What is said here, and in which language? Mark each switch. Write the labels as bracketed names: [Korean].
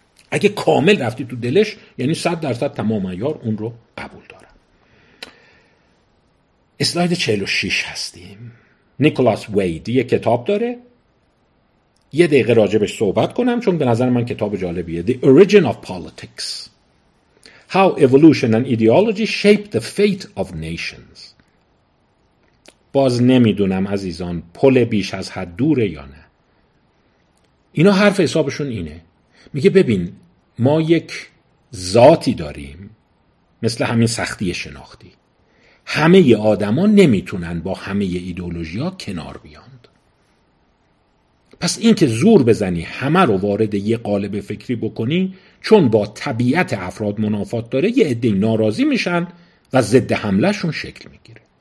[Persian] اگه کامل رفتی تو دلش یعنی 100% تمام عیار اون رو قبول دارن. اسلاید 46 هستیم. نیکولاس وید یه کتاب داره، یه دقیقه راجبش صحبت کنم چون به نظر من کتاب جالبیه. [English] The Origin of Politics: How Evolution and Ideology Shape the Fate of Nations. [Persian] باز نمیدونم عزیزان پل بیش از حد دوره یا نه. اینا حرف حسابشون اینه، میگه ببین ما یک ذاتی داریم مثل همین سختی شناختی، همه ی آدم ها نمیتونن با همه ی ایدئولوژی ها کنار بیاند، پس این که زور بزنی همه رو وارد یه قالب فکری بکنی چون با طبیعت افراد منافات داره، یه عده ناراضی میشن و ضد حمله شون شکل میگیره.